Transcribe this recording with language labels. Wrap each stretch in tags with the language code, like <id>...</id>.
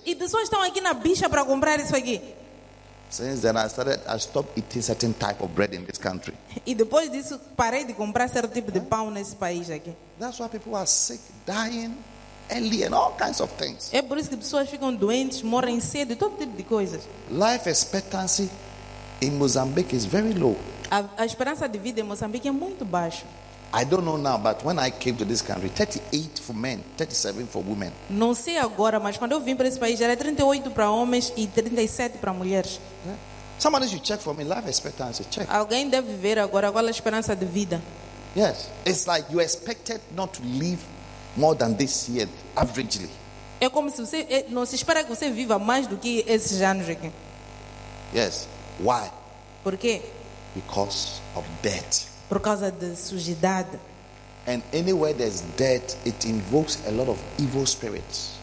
<pt>E pessoas estão aqui na bicha para comprar isso aqui.</pt> <en>Since then I stopped eating certain type of bread in this country.</en> <pt>E depois disso parei de comprar certo tipo de pão nesse país aqui.</pt> <en>That's why people are sick, dying early and all kinds of things.</en> <pt>É por isso que pessoas ficam doentes, morrem cedo, todo tipo de coisas.</pt> <en>Life expectancy in Mozambique is very low.</en> <pt>A esperança de vida em Moçambique é muito baixa.</pt> <en>I don't know now, but when I came to this country, 38 for men, 37 for women.</en> <pt>Não sei agora, mas quando eu vim para esse país, era 38 para homens e 37 para mulheres.</pt> <en>Somebody should check for me life expectancy. Check.</en> <pt>Alguém deve ver agora qual é a esperança de vida.</pt> <en>Yes, it's like you expected not to live more than this year, averagely.</en> <pt>É como se você não se espera que você viva mais do que esses anos aqui.</pt> <en>Yes. Why?</en> <pt>Por quê?</pt> <en>Because of debt.</en> <pt>Por causa da sujidade.</pt> <en>And anywhere there's debt, it invokes a lot of evil spirits.</en>